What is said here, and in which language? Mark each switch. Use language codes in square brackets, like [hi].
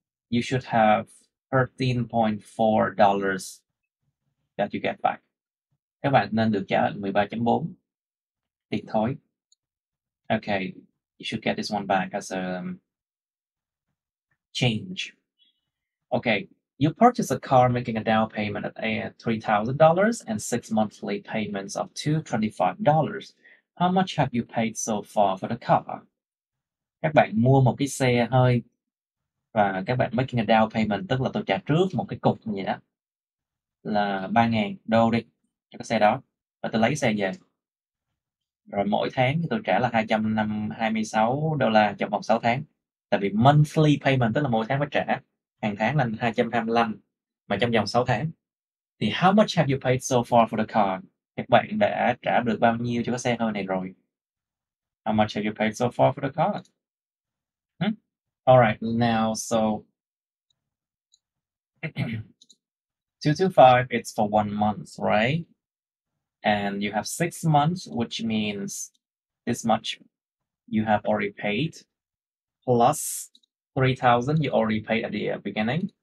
[en] You should have $13.4 that you get back. [vi] Các bạn nên được trả 13.4 tiền thôi. [en] Okay, you should get this one back as a change. Okay, you purchase a car making a down payment at $3,000 and 6 monthly payments of $225. How much have you paid so far for the car? [vi] Các bạn mua một cái xe hơi và các bạn [en] making a down payment, [vi] tức là tôi trả trước một cái cục như vậy đó, là 3.000 đô đi cho cái xe đó, và tôi lấy xe về. Rồi mỗi tháng tôi trả là 256 đô la trong vòng 6 tháng. Tại vì [en] monthly payment, [vi] tức là mỗi tháng phải trả, hàng tháng là 225, mà trong vòng 6 tháng. [en] Thì how much have you paid so far for the car? [vi] Các bạn đã trả được bao nhiêu cho cái xe hơi này rồi? [en] How much have you paid so far for the car? Alright, now, so 225, it's for 1 month, right? And you have 6 months, which means this much you have already paid, plus 3,000 you already paid at the beginning.